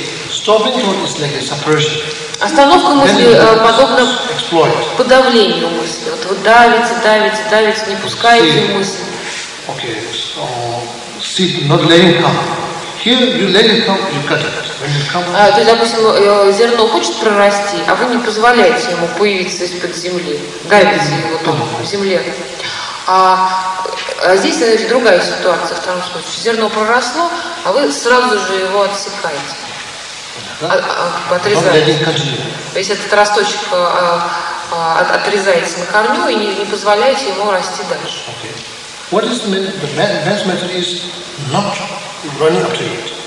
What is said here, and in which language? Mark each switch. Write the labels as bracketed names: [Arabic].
[English] Stopping thought is like a suppression. [Russian] Остановка мысли подобна подавлению мысли. Вот вы давите, не пускаете мысли. [English] Okay. So, sit, not letting come. Here you let it come, you cut it. [Russian] То есть, допустим, зерно хочет прорасти, а вы не позволяете ему появиться из-под земли. Гайдите его там, в земле. А здесь, значит, другая ситуация, в том случае. Зерно проросло, а вы сразу же его отсекаете. Отрезаете. То есть этот росточек отрезаете на корню и не позволяете ему расти дальше. [English] Okay. What is the method? The best method is not running up to it.